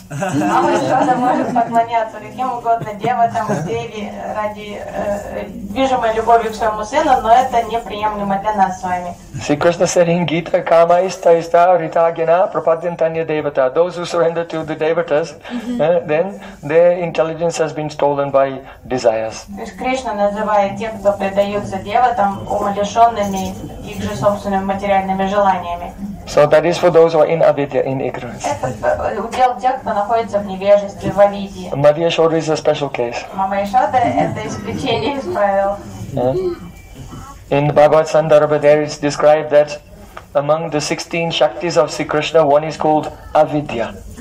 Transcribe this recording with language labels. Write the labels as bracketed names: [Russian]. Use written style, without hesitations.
[English] See, Krishna said in Gita, [Sanskrit] Kama ista ista ritagina prapadyantanya devata. [English] Those who surrender to the devatas, then their intelligence has been stolen by desires. [Russian] Кришна называет тех, кто предаются деватам, умалишенными их же собственными материальными желаниями. [English] So that is for those who are in avidya, in ignorance. [Russian] Это удел тех, кто находится в невежестве, в авидии. Мама Яшода — это исключение из правил. [English] In Bhagavad Sandarbha there is described that among the 16 shaktis of Sri Krishna, one is called avidya.